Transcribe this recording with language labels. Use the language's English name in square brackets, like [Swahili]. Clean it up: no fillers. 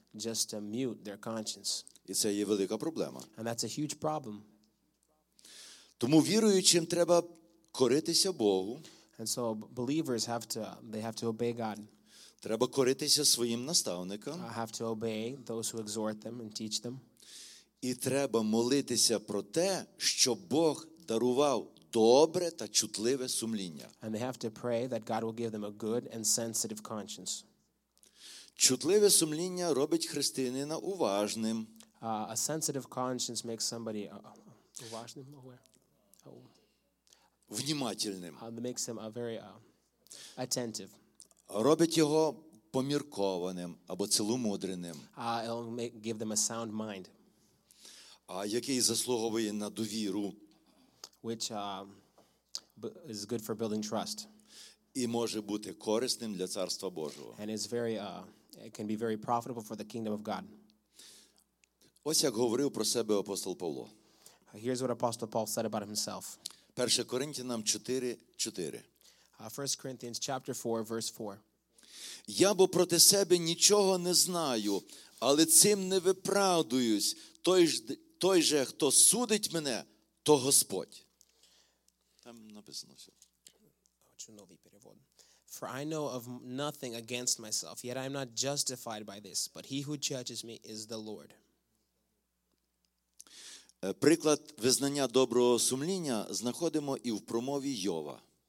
[English] Just to mute their conscience. [Ukrainian] І це є велика проблема. [English] And that's a huge problem. [Ukrainian] Тому віруючим треба коритися Богу. [English] And so believers have to obey God. [Ukrainian] Треба коритися своїм наставникам. [English] I have to obey those who exhort them and teach them. [Ukrainian] І треба молитися про те, щоб Бог дарував добре та чутливе сумління. [English] And they have to pray that God will give them a good and sensitive conscience. [Ukrainian] Чутливе сумління робить християнина уважним. [English] A sensitive conscience makes somebody уважним, aware. [Russian] Внимательним. [English] Makes him very attentive. [Ukrainian] Робить його поміркованим або цілумудреним. [English] It'll give them a sound mind. [Ukrainian] Який заслуговує на довіру. [English] Which is good for building trust. [Ukrainian] І може бути корисним для Царства Божого. [English] And is very, it can be very profitable for the kingdom of God. [Ukrainian] Ось як говорив про себе апостол Павло. [English] Here's what Apostle Paul said about himself. [Ukrainian] 1 Коринтянам 4:4. [English] 1 Corinthians chapter 4, verse 4. [Ukrainian] Я бо проти себе нічого не знаю, але цим не виправдуюсь. Той же, хто судить мене, то Господь. Там написано все. Хочу новий перевод. [English] For I know of nothing against myself, yet I am not justified by this, but he who judges me is the Lord. [Ukrainian] Приклад визнання доброго сумління знаходимо і в промові Йова.